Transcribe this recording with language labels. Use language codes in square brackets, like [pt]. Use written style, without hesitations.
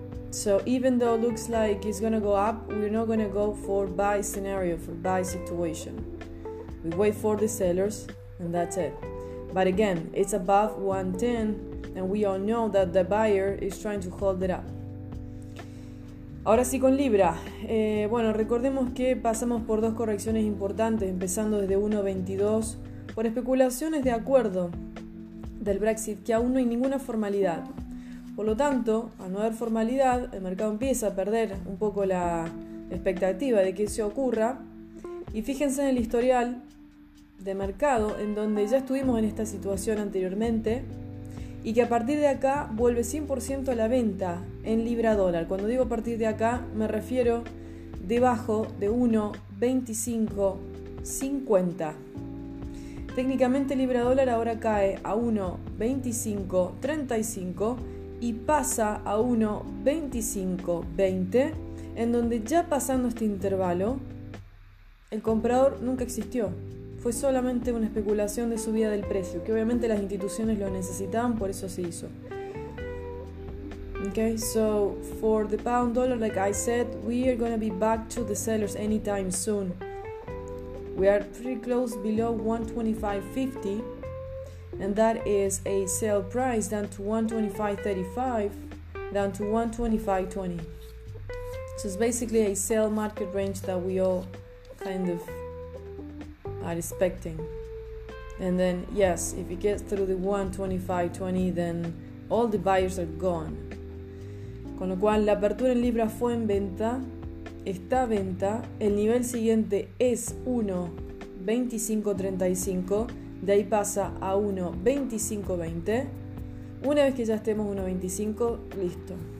[en] So even though it looks like it's going to go up, we're not going to go for buy scenario, for buy situation. We wait for the sellers and that's it. But again, it's above 1.10 and we all know that the buyer is trying to hold it up. [es] Ahora sí con Libra. Bueno, recordemos que pasamos por dos correcciones importantes, empezando desde 1.22 por especulaciones de acuerdo del Brexit, que aún no hay ninguna formalidad. Por lo tanto, al no haber formalidad, el mercado empieza a perder un poco la expectativa de que eso ocurra. Y fíjense en el historial de mercado, en donde ya estuvimos en esta situación anteriormente, y que a partir de acá vuelve 100% a la venta en libra dólar. Cuando digo a partir de acá, me refiero debajo de 1.2550. Técnicamente libra dólar ahora cae a 1.2535 y pasa a 1.2520, en donde ya pasando este intervalo, el comprador nunca existió. Fue solamente una especulación de subida del precio, que obviamente las instituciones lo necesitaban, por eso se hizo. [en] Okay, so for the pound dollar, like I said, we are going to be back to the sellers anytime soon. We are pretty close below 1.2550. And that is a sell price down to 1.2535, down to 1.2520. So it's basically a sell market range that we all kind of are expecting. And then, yes, if it gets through the 1.2520, then all the buyers are gone. [es] Con lo cual, la apertura en libra fue en venta, está a venta, el nivel siguiente es 1.2535. De ahí pasa a 1.2520. Una vez que ya estemos 1.25, listo.